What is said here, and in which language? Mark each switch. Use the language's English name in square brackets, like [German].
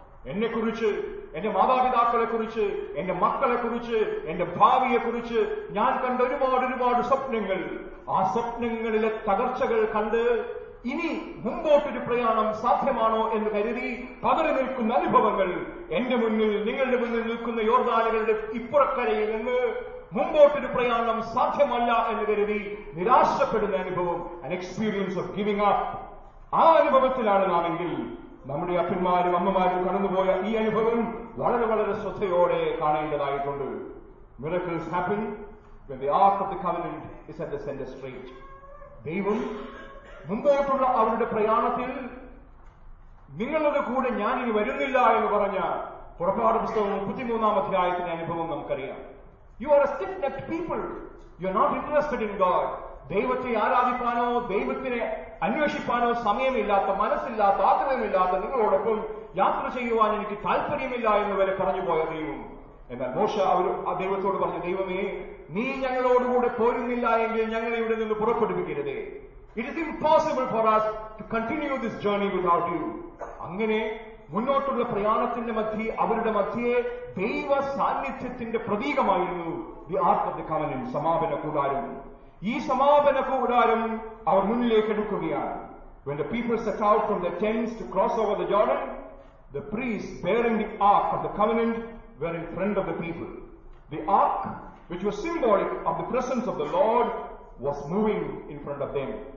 [Malayalam] എന്നെക്കുറിച്ച്, എന്റെ മാതാപിതാക്കളെ കുറിച്ച്, എന്റെ മക്കളെ കുറിച്ച്, എന്റെ ഭാവിയെ കുറിച്ച് ഞാൻ കണ്ട ഒരുപാട് സ്വപ്നങ്ങൾ, ആ സ്വപ്നങ്ങളിലെ തകർച്ചകൾ കണ്ട് ഇനി മുമ്പോട്ടൊരു പ്രയാണം സാധ്യമാണോ എന്ന് കരുതി പകരം നിൽക്കുന്ന അനുഭവങ്ങൾ, എന്റെ മുന്നിൽ നിങ്ങളുടെ മുന്നിൽ നിൽക്കുന്ന യോർദാനുകളുടെ ഇപ്പുറക്കരയിൽ നിന്ന് മുമ്പോട്ടൊരു പ്രയാണം സാധ്യമല്ല എന്ന് കരുതി നിരാശപ്പെടുന്ന അനുഭവം, [English] an experience of giving up. [Malayalam] ആ അനുഭവത്തിലാണ് നാമെങ്കിൽ നമ്മുടെ അപ്പന്മാരും അമ്മമാരും കടന്നുപോയ ഈ അനുഭവം വളരെ വളരെ ശ്രദ്ധയോടെ കാണേണ്ടതായിട്ടുണ്ട്. [English] Miracles happen when the ark of the covenant is at the center stage. [Malayalam] ദൈവം മുമ്പോട്ടുള്ള അവരുടെ പ്രയാണത്തിൽ നിങ്ങളുടെ കൂടെ ഞാൻ ഇനി വരുന്നില്ല എന്ന് പറഞ്ഞ പുറപ്പാട് പുസ്തകം 33 അധ്യായത്തിന്റെ അനുഭവം നമുക്കറിയാം. [English] You are a stiff-necked people. You are not interested in God. [Malayalam] ദൈവത്തെ ആരാധിക്കാനോ ദൈവത്തിനെ അന്വേഷിക്കാനോ സമയമില്ലാത്ത, മനസ്സില്ലാത്ത, ആഗ്രഹമില്ലാത്ത നിങ്ങളോടൊപ്പം യാത്ര ചെയ്യുവാൻ എനിക്ക് താല്പര്യമില്ല എന്ന് വരെ പറഞ്ഞുപോയ ദൈവം. എന്നാൽ മോശ അവർ ആ ദൈവത്തോട് പറഞ്ഞു, ദൈവമേ നീ ഞങ്ങളോടുകൂടെ പോരുന്നില്ല എങ്കിൽ ഞങ്ങളെ ഇവിടെ നിന്ന് പുറപ്പെടുവിക്കരുതേ. [English] It is impossible for us to continue this journey without you. [Malayalam] അങ്ങനെ മുന്നോട്ടുള്ള പ്രയാണത്തിന്റെ മധ്യെ അവരുടെ മധ്യെ ദൈവ സാന്നിധ്യത്തിന്റെ പ്രതീകമായിരുന്നു [English] the ark of the covenant, [Malayalam] സമാപന കൂടാരം. ഈ സമാപന കൂടാരം അവർ മുന്നിലേക്ക് എടുക്കുകയാണ്. [English] When the people set out from the tents to cross over the Jordan, the priests bearing the ark of the covenant were in front of the people. The ark, which was symbolic of the presence of the Lord, was moving in front of them.